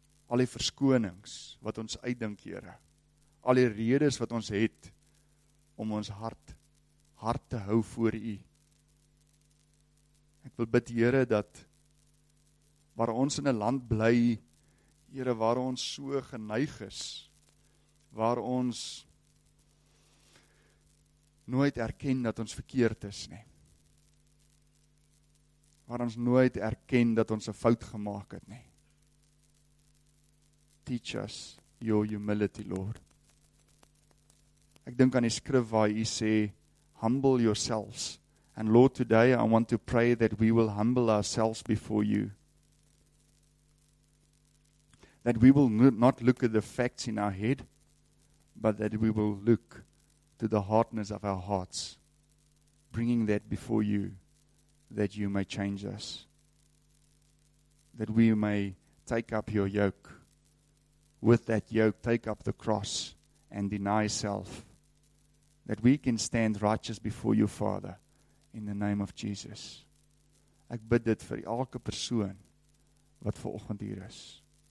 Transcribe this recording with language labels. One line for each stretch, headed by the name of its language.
Afrikaans: Al die verskonings wat ons uitdink, Here. Al die redes wat ons het om ons hart te hou voor u. Ek wil bid, Here, dat waar ons in 'n land bly, Here, waar ons so geneig is, waar ons nooit erken dat ons verkeerd is nie. Waar ons nooit erken dat ons 'n fout gemaak het nie.
English: Teach us your humility, Lord.
Afrikaans: Ek dink aan die skrif waar hy sê,
English: humble yourselves. And Lord, today I want to pray that we will humble ourselves before you. That we will not look at the facts in our head, but that we will look to the hardness of our hearts, bringing that before you, that you may change us, that we may take up your yoke, with that yoke take up the cross and deny self, that we can stand righteous before you, Father, in the name of Jesus.
Afrikaans: Ek bid dit vir elke persoon wat vanoggend hier is.